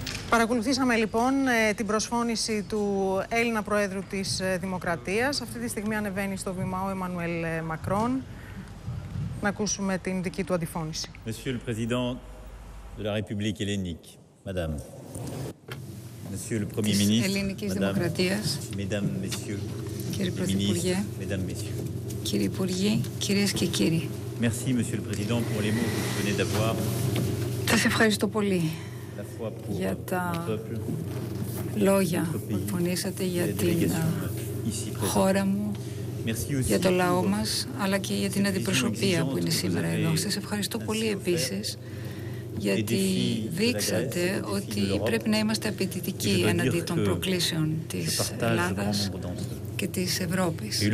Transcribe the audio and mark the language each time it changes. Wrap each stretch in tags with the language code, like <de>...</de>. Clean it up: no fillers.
<el>Παρακολουθήσαμε λοιπόν την προσφώνηση του Έλληνα Προέδρου της Δημοκρατίας. Αυτή τη στιγμή ανεβαίνει στο βήμα ο Εμμανουέλ Μακρόν. Να ακούσουμε την δική του αντιφώνηση.</el> <fr>Monsieur le Président de la République Hellénique, Madame. Monsieur le Premier Ministre,</fr> <el>της Ελληνικής Madame. Δημοκρατίας.</el> <fr>Mesdames, Messieurs.</fr> <el>Κύριε Πρωθυπουργέ.</el> <fr>Mesdames, Messieurs.</fr> <el>Κύριε Υπουργέ, κυρίες και κύριοι.</el> <fr>Merci, Monsieur le Président, pour les mots que vous venez d'avoir.</fr> <el>Σας ευχαριστώ πολύ για τα λόγια που εμφωνήσατε για την χώρα μου, για το λαό μας, αλλά και για την αντιπροσωπεία που είναι σήμερα εδώ. Σας ευχαριστώ πολύ επίσης, γιατί δείξατε ότι πρέπει να είμαστε απαιτητικοί εναντί των προκλήσεων της Ελλάδας και της Ευρώπης.</el>